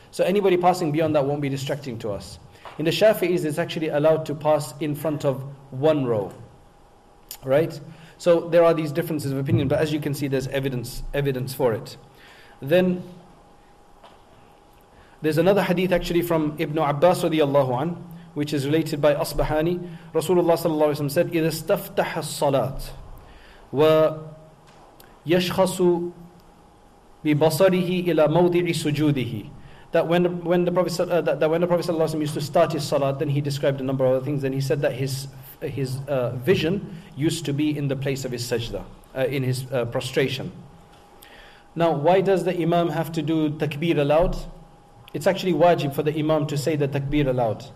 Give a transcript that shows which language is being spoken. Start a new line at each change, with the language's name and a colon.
English: So anybody passing beyond that won't be distracting to us. In the Shafi'is, it's actually allowed to pass in front of one row. Right? So there are these differences of opinion, but as you can see, there's evidence for it. Then there's another hadith actually from Ibn Abbas radiyallahu anhu, which is related by Asbahani. Rasulullah sallallahu alayhi wa sallam said,
Arabic: إِذَا اسْتَفْتَحَ الصَّلَاةِ وَيَشْخَصُ بِبَصَرِهِ إِلَى مَوْضِعِ سُجُودِهِ.
English: That when the Prophet sallallahu alayhi wa sallam used to start his salat, then he described a number of other things, and he said that his vision used to be in the place of his sajda, in his prostration. Now, why does the imam have to do takbir aloud? It's actually wajib for the imam to say the takbir aloud.